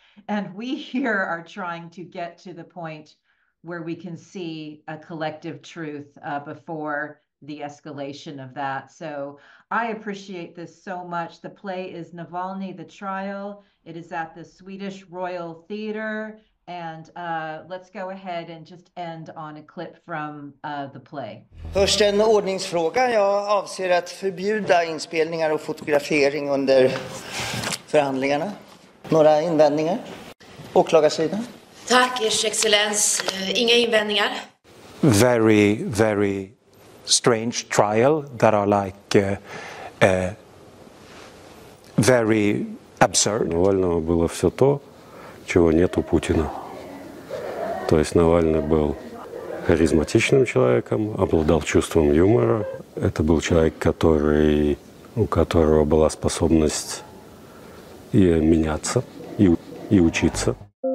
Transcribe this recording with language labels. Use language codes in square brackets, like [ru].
[en] And we here are trying to get to the point where we can see a collective truth before the escalation of that. So I appreciate this so much. The play is Navalny, The Trial. It is at the Swedish Royal Theatre. And let's go ahead and just end on a clip from the play. [sv] Först en ordningsfråga. Jag avser att förbjuda inspelningar och fotografering under förhandlingarna. Några invändningar? Åklagarsidan? Tack, Ers Excellens. Inga invändningar. [en] Very, very strange trial that are like very absurd. [ru] Навального было все то, чего нет у Путина. То есть Навальный был харизматичным человеком, обладал чувством юмора. Это был человек, который, у которого была способность и меняться, и учиться.